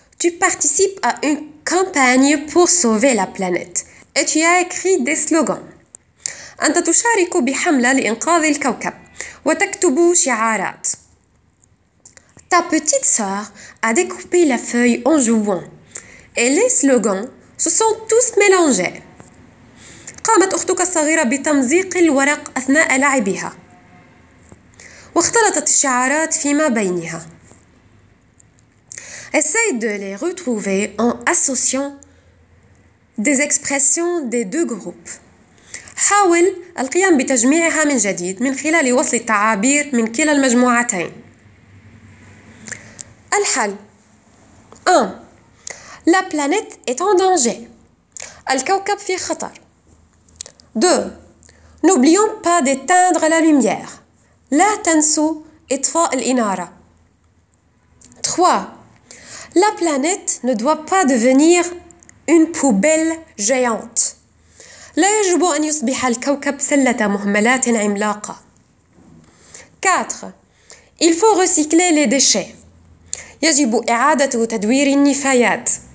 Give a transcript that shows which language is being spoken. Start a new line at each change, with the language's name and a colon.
French: Tu participes à une campagne pour sauver la planète. Et tu as écrit des slogans.
Arabic: أنت تشارك بحملة لإنقاذ الكوكب وتكتب شعارات.
French: Ta petite sœur a découpé la feuille en jouant. Et les slogans se sont tous mélangés.
Arabic: قامت أختك الصغيرة بتمزيق الورق أثناء لعبها. واختلطت الشعارات فيما بينها.
French: Essaye de les retrouver en associant des expressions des deux groupes.
Arabic: حاول القيام بتجميعها من جديد من خلال وصل التعابير من كلا المجموعتين. الحل 1.
French: La planète est en danger.
Arabic: الكوكب في خطر. 2.
French: N'oublions pas d'éteindre la lumière.
Arabic: لا تنسوا إطفاء الإنارة. 3.
French: La planète ne doit pas devenir une poubelle géante.
Arabic: لا يجب أن يصبح الكوكب سلة مهملات عملاقة. 4.
French: Il faut recycler les déchets.
Arabic: يجب إعادة تدوير النفايات.